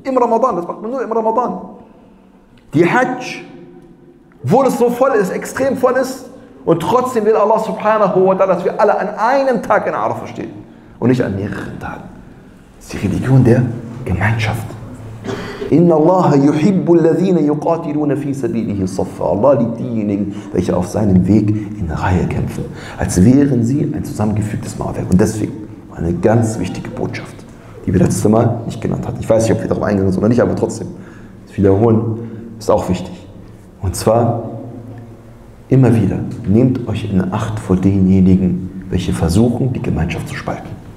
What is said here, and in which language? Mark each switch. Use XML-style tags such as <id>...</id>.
<de>Im Ramadan, das macht man nur im Ramadan. Die Hajj, wo es so voll ist, extrem voll ist, und trotzdem will Allah subhanahu wa ta'ala, dass wir alle an einem Tag in Arafah stehen. Und nicht an mehreren Tagen. Das ist die Religion der Gemeinschaft.</de> <ar>إن الله يحب الذين يقاتلون في سبيله صفا.</ar> <de>Allah liebt diejenigen, welche auf seinem Weg in Reihe kämpfen, als wären sie ein zusammengefügtes Mauerwerk. Und deswegen eine ganz wichtige Botschaft, die wir letztes Mal nicht genannt hatten. Ich weiß nicht, ob wir darauf eingegangen sind oder nicht, aber trotzdem, das Wiederholen ist auch wichtig. Und zwar, immer wieder, nehmt euch in Acht vor denjenigen, welche versuchen, die Gemeinschaft zu spalten.</de>